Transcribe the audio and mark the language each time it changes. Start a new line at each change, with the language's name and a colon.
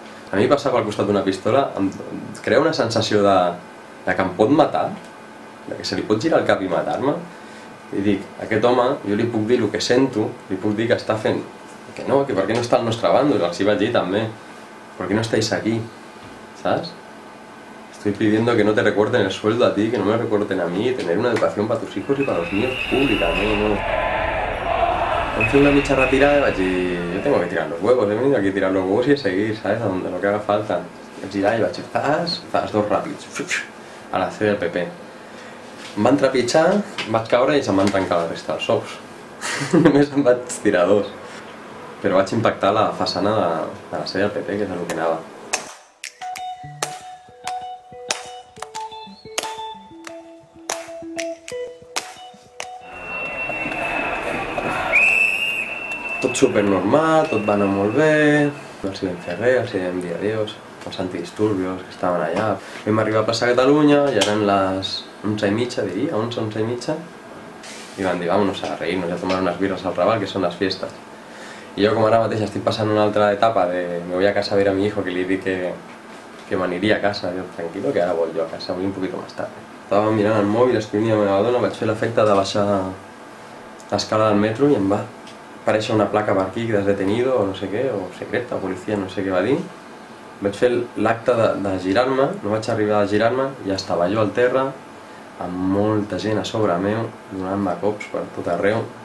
Catalan: A mi passar pel costat d'una pistola em crea una sensació de que em pot matar, de que se li pot girar el cap i matar-me. I dic, aquest home, jo li puc dir el que sento, li puc dir que està fent, que no, que per què no està al nostre bàndol, els hi vaig dir també, per què no estàs aquí, saps?
Spanish: Estoy pidiendo que no te recorten el sueldo a ti, que no me recorten a mí, tener una educación para tus hijos y para los míos pública, no. Vam fer una mitja retirada i vaig dir, yo tengo que tirar los huevos, he venido aquí a tirar los huevos y a seguir, saps, a donde lo que haga falta.
Catalan: Vaig girar i vaig dir, fas dos ràpids, a la C del PP. Em van trepitjar, vaig caure i se'm van trencar la resta dels ous. Només em vaig tirar dos. Però vaig impactar la façana de la seva PP, que és el que anava. Tot supernormal, tot va anar molt bé. No els hi vam fer res, els hi vam dir adiós. Els antidisturbios que estaven allà. Vam arribar a plaça Catalunya i eren les 11:30, diria, 11:30. I van dir,
Spanish: vamonos a reírnos, a tomar
Catalan: unes birres al Raval, que són les festes. I jo, com ara mateix, estic passant una altra etapa de
Spanish: me voy a casa a ver a mi hijo,
Catalan: que li dic que m'aniria a casa. Jo, tranquilo, que ara vull jo a casa, vull
Spanish: un poquito más tarde.
Catalan: Estava mirant el mòbil, escrivint a la meva dona, vaig fer l'efecte de baixar l'escala del metro i em va aparèixer una placa per aquí, que
Spanish: has detenido,
Catalan: o no sé què, o secreta, o policia, no sé què va dir. Vaig fer l'acte de girar-me, no vaig arribar a girar-me, ja estava jo al terra, amb molta gent a sobre meu, donant-me cops per tot arreu.